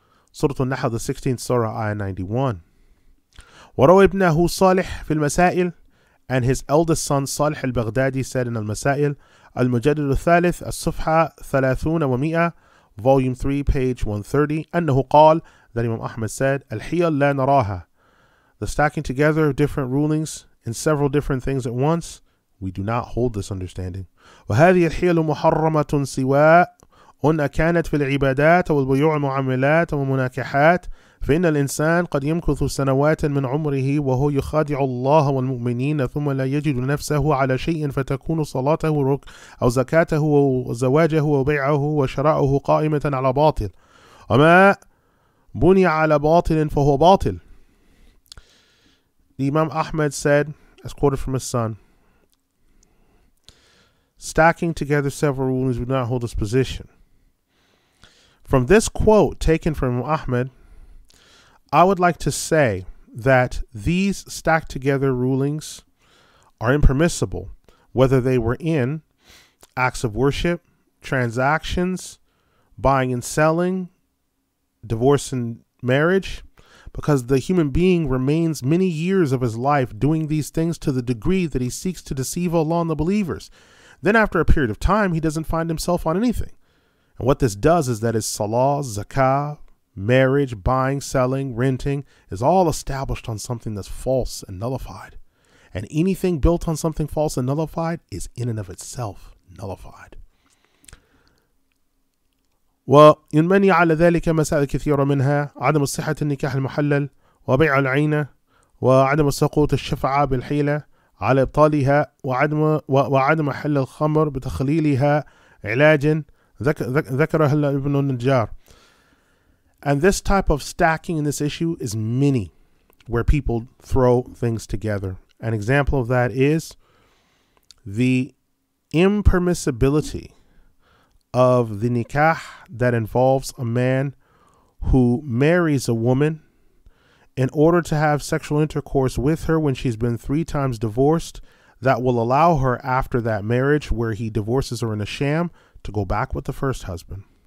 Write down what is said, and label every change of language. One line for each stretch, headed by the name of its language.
English: Surah An-Nahl, the 16th surah, ayah 91.
Arabic: وروى ابنه صالح في المسائل,
English: and his eldest son صالح البغدادي said in المسائل,
Arabic: المجدد الثالث الصفحة 30 و100,
English: volume 3, page 130,
Arabic: أنه قال,
English: that Imam Ahmad said,
Arabic: الحيل لا نراها,
English: the stacking together of different rulings in several different things at once, we do not hold this understanding.
Arabic: وهذه الحيل محرمة سواء هنا كانت في العبادات والبيوع المعاملات والمناكحات فإن الإنسان قد يمكث سنوات من عمره وهو يخادع الله والمؤمنين ثم لا يجد نفسه على شيء فتكون صلاته ركن أو زكاته وزواجه وبيعه وشراؤه قائمة على باطل وما بني على باطل فهو باطل.
English: The Imam Ahmad said, as quoted from his son, stacking together several rulings would not hold this position. From this quote taken from Ahmed, I would like to say that these stacked together rulings are impermissible, whether they were in acts of worship, transactions, buying and selling, divorce and marriage, because the human being remains many years of his life doing these things to the degree that he seeks to deceive Allah and the believers. Then after a period of time, he doesn't find himself on anything. And what this does is that his salah, zakah, marriage, buying, selling, renting is all established on something that's false and nullified. And anything built on something false and nullified is in and of itself nullified.
Arabic: وينبني على ذلك مسائل كثيرة منها عدم صحة النكاح المحلل وبيع العينة وعدم سقوط الشفعة بالحيلة على إبطالها وعدم حل الخمر بتخليلها علاجا ذكرها ابن النجار.
English: And this type of stacking in this issue is many where people throw things together. An example of that is the impermissibility of the nikah that involves a man who marries a woman in order to have sexual intercourse with her when she's been three times divorced, that will allow her after that marriage where he divorces her in a sham to go back with the first husband.